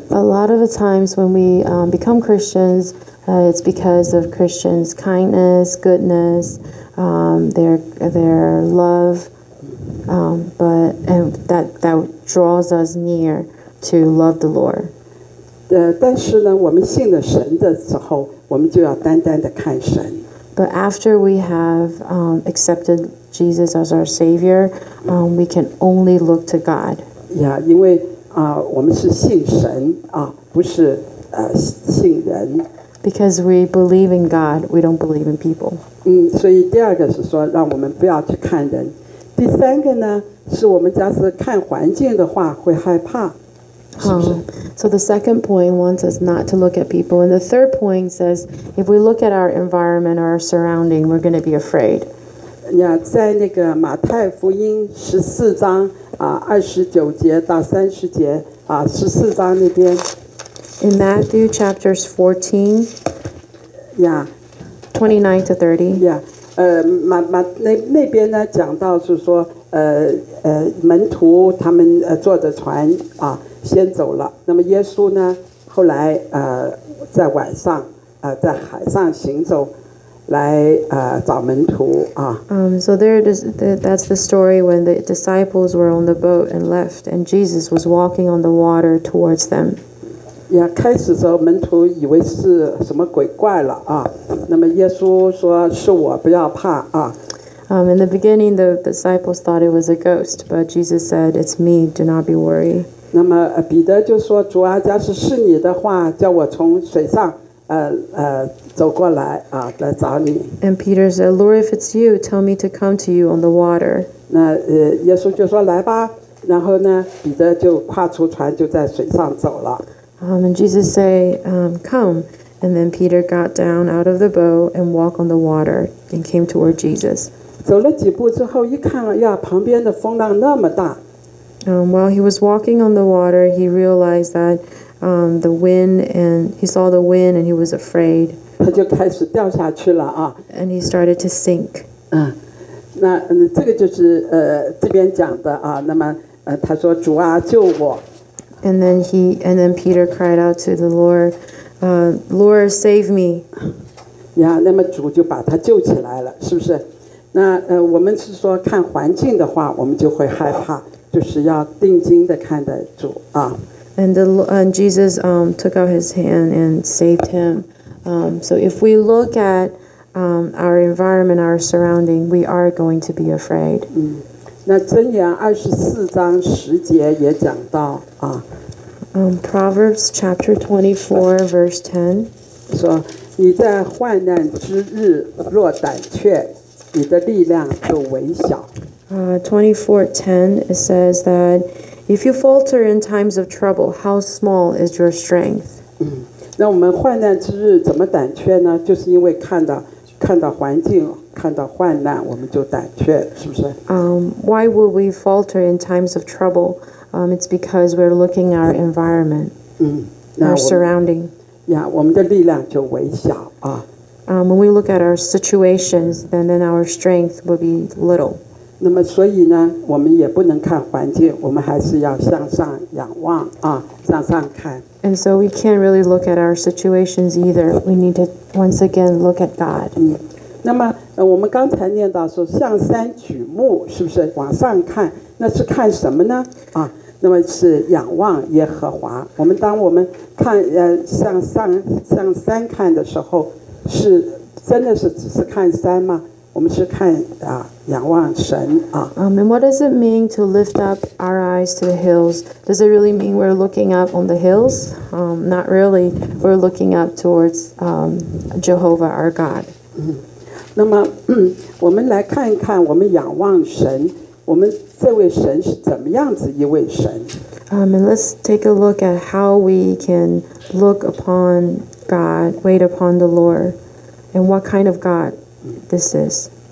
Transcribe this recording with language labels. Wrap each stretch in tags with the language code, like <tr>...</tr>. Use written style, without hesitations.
<en>A lot of the times when we become Christians, it's because of Christians' kindness, goodness, their love, but and that draws us near to love the Lord.</en> <zh>但是呢，我们信了神的时候，我们就要单单的看神。</zh> <en>But after we have accepted Jesus as our Savior, we can only look to God.</en> <zh>Yeah, 因为我们是信神啊，不是信人。</zh> <en>Because we believe in God, we don't believe in people.</en> <zh>所以第二个是说，让我们不要去看人。第三个呢，是我们假设看环境的话，会害怕。</zh> <en>So the second point wants us not to look at people. And the third point says, if we look at our environment or our surrounding, we're going to be afraid.</en> <zh>Yeah, 在那个马太福音十四章二十九节到三十节十四章那边。</zh> <en>In Matthew chapters 14, yeah, 29 to 30.</en> <zh>Yeah, 那边呢讲到是说门徒他们坐着船啊先走了，那么耶稣呢后来在晚上在海上行走来找门徒啊。</zh> <en>So there it is, that's the story when the disciples were on the boat and left and Jesus was walking on the water towards them.</en> <zh>Yeah, 开始的时候门徒以为是什么鬼怪了啊，那么耶稣说是我不要怕啊。</zh> <en>In the beginning, the disciples thought it was a ghost, but Jesus said, it's me, do not be worried.</en> <zh>那么彼得就说，主啊，假使是你的话，叫我从水上走过来啊，来找你。</zh> <en>And Peter said, Lord, if it's you, tell me to come to you on the water.</en> <zh>那耶稣就说，来吧。然后呢，彼得就跨出船，就在水上走了。</zh> <en>And Jesus said, come. And then Peter got down out of the boat and walked on the water and came toward Jesus.</en> <zh>走了几步之后，一看呀，旁边的风浪那么大。</zh> <en>While he was walking on the water, he realized that the wind and he saw the wind and he was afraid.</en> <zh>他就开始掉下去了啊。</zh> <en>And he started to sink.</en> <zh>那这个就是这边讲的啊。那么他说主啊救我。</zh> <en>And then Peter cried out to the Lord, Lord save me.</en> <zh>呀，那么主就把他救起来了，是不是？那我们是说看环境的话，我们就会害怕，就是要定睛的看待主啊。</zh> <en>And Jesus took out his hand and saved him. So if we look at our environment, our surrounding, we are going to be afraid.</en> <zh>那箴言二十四章十节也讲到啊。</zh> <en>Proverbs chapter 24 verse 10</en> <zh>说，你在患难之日若胆怯。你的力量就微小。</zh> <en>24:10 it says that if you falter in times of trouble, how small is your strength?</en> <zh>那我们患难之日怎么胆怯呢？就是因为看到环境，看到患难，我们就胆怯，是不是？</zh> <en>Why would we falter in times of trouble? It's because we're looking at our environment. our surrounding.</en> <zh>Yeah, 我们的力量就微小啊。</zh> <en>When we look at our situations, then our strength will be little.</en> <zh>那么所以呢，我们也不能看环境，我们还是要向上仰望啊，向上看。</zh> <en>And so we can't really look at our situations either. We need to once again look at God.</en> <zh>嗯，那么我们刚才念到说向山举目，是不是往上看？那是看什么呢？啊，那么是仰望耶和华。我们当我们看向上向山看的时候。是真的是只是看山吗？我们是看啊，仰望神啊。</zh> <en>And what does it mean to lift up our eyes to the hills? Does it really mean we're looking up on the hills? Not really. We're looking up towards Jehovah our God.</en> <zh>嗯，那么我们来看一看，我们仰望神，我们这位神是怎么样子一位神</zh> <en>？And let's take a look at how we can look upon. God, wait upon the Lord, and what kind of God this is.</en>